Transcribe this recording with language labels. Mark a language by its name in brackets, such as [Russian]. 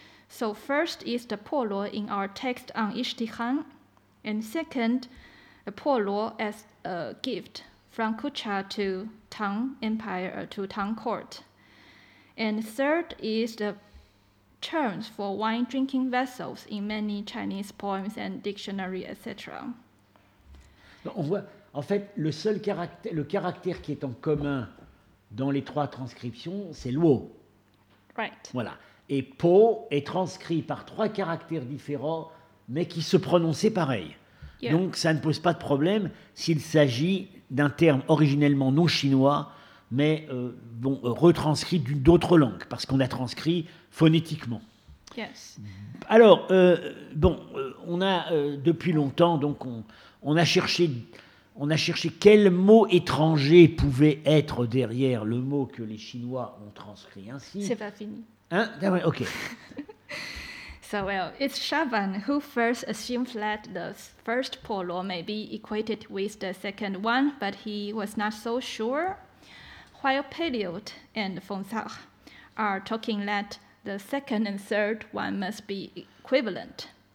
[English] So first is the Po Luo in our text on Ishtihan, and second, the Po Luo as a gift from Kucha to Tang Empire, to Tang Court. And third is the terms for wine drinking vessels in many Chinese poems and dictionary, etc. [French] On voit, en fait, le seul caractère qui est en commun dans les trois transcriptions, c'est Luo. [English] Right. [French] Voilà. Et Po est transcrit par trois caractères différents, mais qui se prononçaient pareil. [English] Yeah. [French] Donc, ça ne pose pas de problème s'il s'agit d'un terme originellement non chinois, mais retranscrit d'une autre langue, parce qu'on a transcrit phonétiquement. [English] Yes. [French] Alors, on a depuis longtemps, donc on a cherché quel mot étranger pouvait être derrière le mot que les Chinois ont transcrit ainsi. C'est pas fini. Hein? Ah ouais, ok. [English] So well, it's Shaban who first assumed that the first polo may be equated with the second one, but he was not so sure. While Peliot and Feng Zhao are talking that the second and third one must be equivalent.